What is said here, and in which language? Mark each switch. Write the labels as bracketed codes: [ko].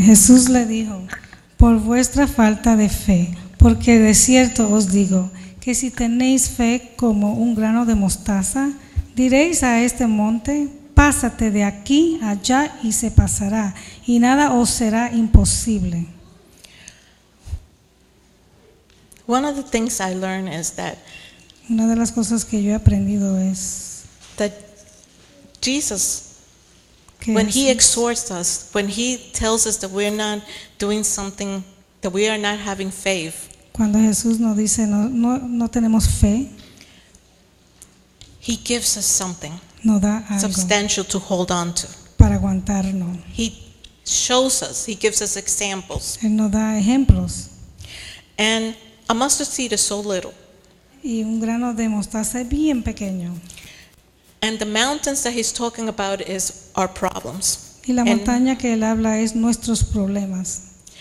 [es] Jesús le dijo, "Por vuestra falta de fe, porque de cierto os digo que si tenéis fe como un grano de mostaza, diréis a este monte, pásate de aquí allá y se pasará, y nada os será imposible. [en] One of the things I learned is that [es] una de las cosas que yo he aprendido es [en] that Jesus, when he exhorts us, when he tells us that we're not doing something, that we are not having faith, [es] cuando Jesús nos dice no tenemos fe, [en] he gives us something, [es] nos da algo [en] substantial to hold on to, [es] para aguantarnos. [en] He shows us, he gives us examples. [es] Él nos da ejemplos. [en] And a mustard seed is so little. [es] Y un grano de mostaza es bien pequeño. [en] And the mountains that he's talking about is our problems. [es] Y la montaña que él habla es nuestros problemas.